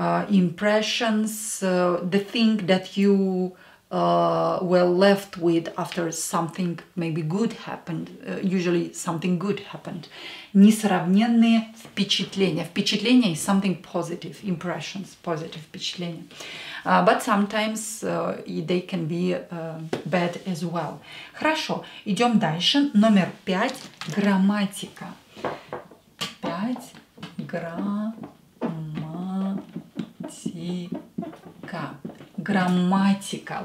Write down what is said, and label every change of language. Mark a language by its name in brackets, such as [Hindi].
[English] impressions, the thing that you were left with after something maybe good happened, usually something good happened. [Russian] Несравненные впечатления. [English] Впечатления is something positive, impressions, positive впечатления. But sometimes they can be bad as well. [Russian] Хорошо, идем дальше. Номер 5. Грамматика. 5. Грамматика.